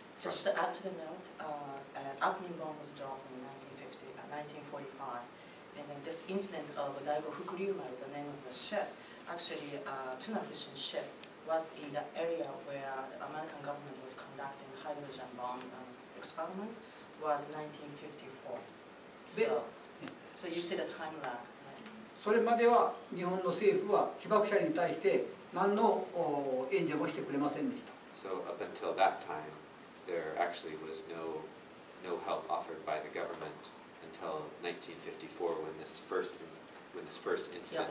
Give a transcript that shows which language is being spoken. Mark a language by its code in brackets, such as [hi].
[en] Just to add to the note, admin bomb was dropped in 1945, and then this incident of Daigo Fukuryuma, the name of the ship, actually a tuna fishing ship, was in the area where the American government was conducting hydrogen bomb experiment, was 1954. So you see the time lag. Right? [ja] それまでは日本の政府は被爆者に対して何の援助もしてくれませんでした。 [en] So up until that time, there actually was no help offered by the government until 1954 when this first incident